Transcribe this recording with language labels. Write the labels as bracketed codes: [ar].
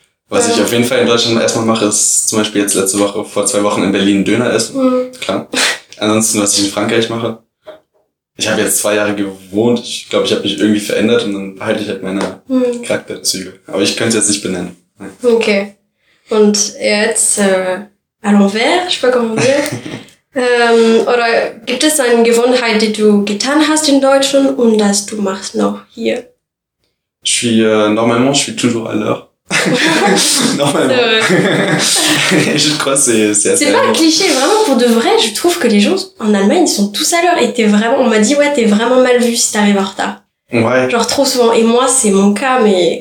[de] Was ich auf jeden Fall in Deutschland erstmal mache, ist zum Beispiel jetzt letzte Woche, vor 2 Wochen in Berlin Döner essen. Mhm. Klar. Ansonsten, was ich in Frankreich mache. Ich habe jetzt 2 Jahre gewohnt. Ich glaube, ich habe mich irgendwie verändert und dann behalte ich halt meine Charakterzüge. Aber ich könnte es jetzt nicht benennen. Nein. Okay. Und jetzt, [fr] à l'envers, je peux commander. [de] oder gibt es eine Gewohnheit, die du getan hast in Deutschland und das du machst noch hier? Ich [fr] suis, normalement, je suis toujours à l'heure. Normalement. Je crois que c'est assez. C'est pas un cliché, vraiment, pour de vrai, je trouve que les gens en Allemagne, ils sont tous à l'heure. Et t'es vraiment, on m'a dit, ouais, t'es vraiment mal vu si t'arrives en retard. Ouais. Genre trop souvent. Et moi, c'est mon cas, mais.